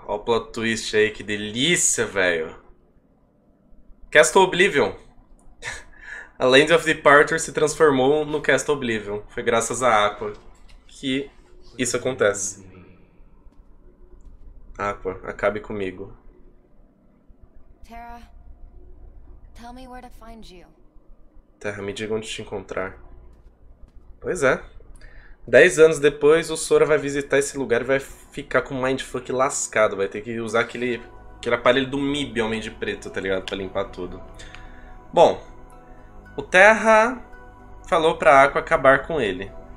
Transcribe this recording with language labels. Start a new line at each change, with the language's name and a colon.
Portuguese: Olha o plot twist aí, que delícia, velho. Castle Oblivion. A Land of Departure se transformou no Castle Oblivion. Foi graças a Aqua que isso acontece. Aqua, acabe comigo.
English: Terra, tell me where to find you.
Portuguese: Terra, me diga onde te encontrar. Pois é. 10 anos depois, o Sora vai visitar esse lugar e vai ficar com o Mindfuck lascado. Vai ter que usar aquele aparelho do MIB, Homem de Preto, tá ligado? Pra limpar tudo. Bom, o Terra falou pra Aqua acabar com ele.